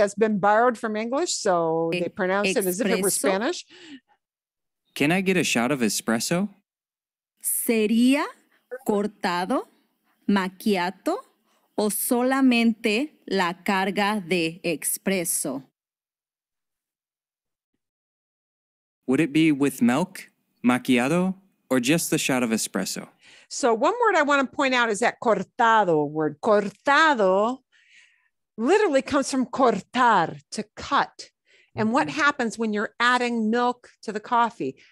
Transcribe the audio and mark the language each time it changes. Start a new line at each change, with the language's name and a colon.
English: It's been borrowed from English, so they pronounce it as if it were Spanish. Can I get a shot of espresso?
Spanish: ¿Sería cortado, macchiato o solamente la carga de espresso?
English: Would it be with milk, macchiato, or just the shot of espresso? So one word I want to point out is that cortado word. Cortado literally comes from cortar, to cut. And what happens when you're adding milk to the coffee?